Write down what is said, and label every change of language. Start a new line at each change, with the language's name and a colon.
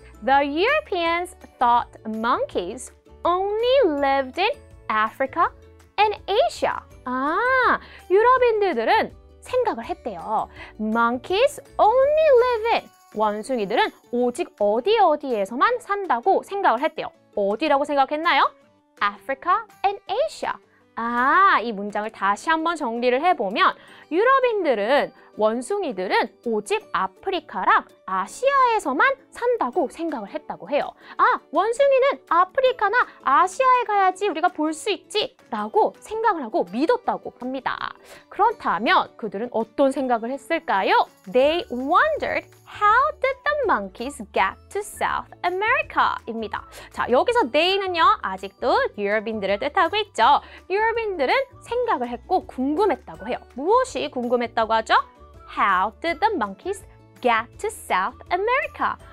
English: The Europeans thought monkeys only lived in Africa and Asia.
Korean: 아, 유럽인들은 생각을 했대요.
English: Monkeys only live in.
Korean: 원숭이들은 오직 어디 어디에서만 산다고 생각을 했대요. 어디라고 생각했나요? Africa and Asia. 아, 이 문장을 다시 한번 정리를 해보면 유럽인들은 원숭이들은 오직 아프리카랑 아시아에서만 산다고 생각을 했다고 해요. 아, 원숭이는 아프리카나 아시아에 가야지 우리가 볼 수 있지 라고 생각을 하고 믿었다고 합니다. 그렇다면 그들은 어떤 생각을 했을까요?
English: They wondered how did the monkeys get to South America?
Korean: 입니다. 자, 여기서 they는요, 아직도 유럽인들을 뜻하고 있죠. 유럽인들은 생각을 했고 궁금했다고 해요. 무엇이 궁금했다고 하죠?
English: How did the monkeys get to South America?